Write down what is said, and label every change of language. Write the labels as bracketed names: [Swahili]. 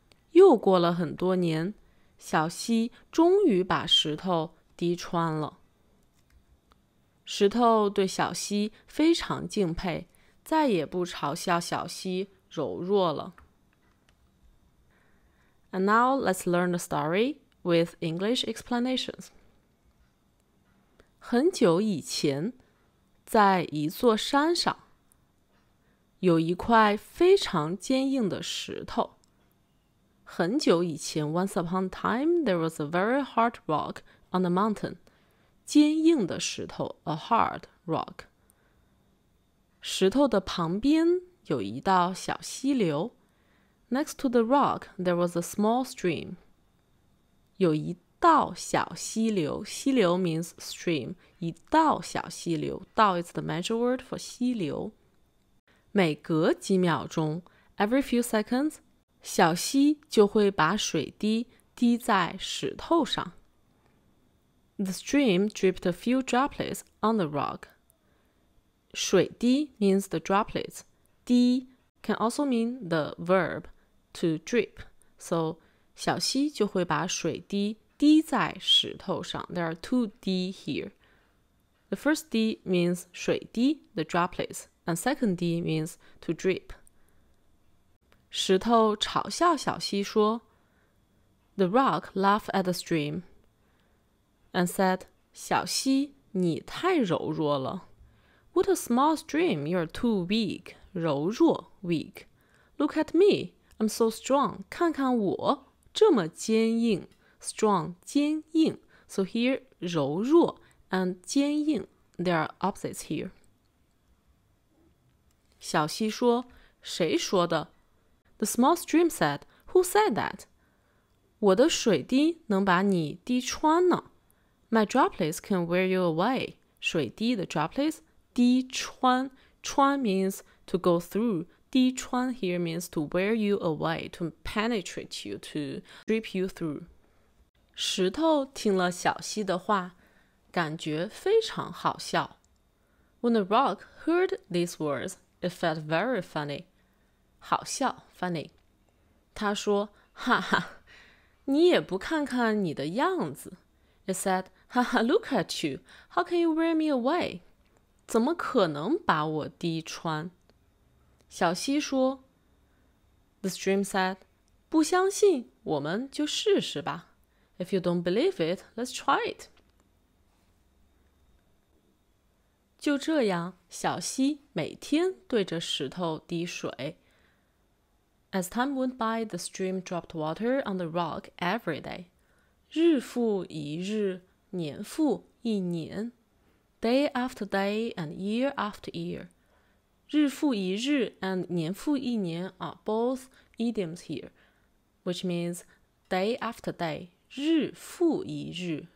[Chinese] 又过了很多年，小溪终于把石头滴穿了。石头对小溪非常敬佩，再也不嘲笑小溪柔弱了。 [English] And now let's learn the story with English explanations. [Chinese] 很久以前，在一座山上，有一块非常坚硬的石头。很久以前 [English] ,once upon a time, there was a very hard rock on the mountain. [Chinese] 坚硬的石头 , [English] a hard rock. [Chinese] 石头的旁边有一道小溪流。 [English] Next to the rock, there was a small stream. [Chinese] 有一道小溪流。溪流 [English] means stream. [Chinese] 一道小溪流。 [English] 道 is the measure word for 溪流。 [Chinese] 每隔几秒钟 , [English] every few seconds, [Chinese] 小溪就会把水滴滴在石头上。 [English] The stream dripped a few droplets on the rock. 水滴 means the droplets. 滴 can also mean the verb to drip. So, [Chinese] 小溪就会把水滴滴在石头上。 [English] There are two D here. The first D means 水滴 the droplets, and second D means to drip. [Chinese] 石头嘲笑小溪说 [English] ,The rock laughed at the stream and said, [Chinese] 小溪你太柔弱了。 [English] What a small stream, you're too weak, 柔弱 weak. Look at me, I'm so strong. [Chinese] 看看我这么坚硬 [English] strong, 坚硬 So here, 柔弱 and 坚硬 There are opposites here. [Chinese] 小溪说谁说的 [English] The small stream said, who said that? [Chinese] 我的水滴能把你滴穿呢 [English] My droplets can wear you away. 水滴的 droplets, 滴穿穿 means to go through. 滴穿 here means to wear you away, to penetrate you, to strip you through. [Chinese] 石头听了小溪的话感觉非常好笑。 [English] When the rock heard these words, it felt very funny. 好笑 funny. [Chinese] 他说哈哈你也不看看你的样子。 [English] It said, ha ha, look at you. How can you wear me away? [Chinese] 怎么可能把我滴穿小溪说 [English] The stream said, [Chinese] 不相信我们就试试吧。 [English] If you don't believe it, let's try it. [Chinese] 就这样小溪每天对着石头滴水。 [English] As time went by, the stream dropped water on the rock every day. [Chinese] 日复一日年复一年 [English] Day after day and year after year. 日复一日 and 年复一年 are both idioms here, which means day after day, 日复一日。